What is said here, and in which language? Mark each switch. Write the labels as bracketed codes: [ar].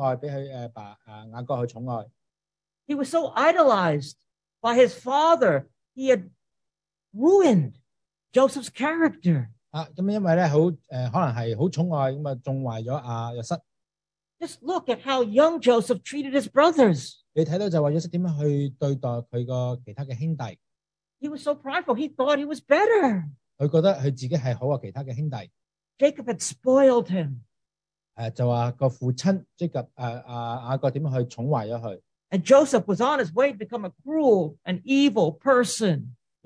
[zh] 约瑟是被他的爸爸宠爱，被他的爸雅各宠爱。 [en] He was so idolized by his father, he had ruined Joseph's character. [zh] 因为可能是很宠爱，纵坏了约瑟。 [en] Just look at how young Joseph treated his brothers. [zh] 你看到就说约瑟怎么去对待他的其他的兄弟。 [en] He was so prideful, he thought he was better. [zh] 他觉得他自己是好过其他的兄弟。 [en] Jacob had spoiled him. [zh] 就说父亲雅各怎么去宠坏了他。 [en] And Joseph was on his way to become a cruel and evil person.